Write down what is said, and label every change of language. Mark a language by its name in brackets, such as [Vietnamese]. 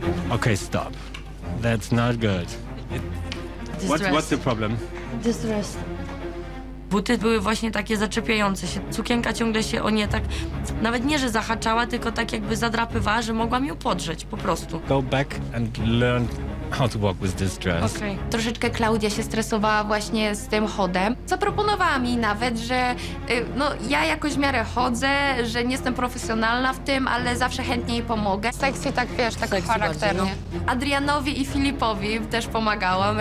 [English] Okay, stop. That's not good. What's the problem? Just rest. [Polish] Buty były właśnie takie zaczepiające się. Sukienka ciągle się o nie tak, nawet nie, że zahaczała, tylko tak jakby zadrapywała, że mogłam ją podrzeć po prostu. [English] Go back and learn how to walk with this dress. Okay. [Polish] Troszeczkę Klaudia się stresowała właśnie z tym chodem. Zaproponowała mi nawet, że no, ja jakoś w miarę chodzę, że nie jestem profesjonalna w tym, ale zawsze chętnie jej pomogę. Sexy tak, wiesz, tak sexy charakternie. Bardziej, no. Adrianowi i Filipowi też pomagałam.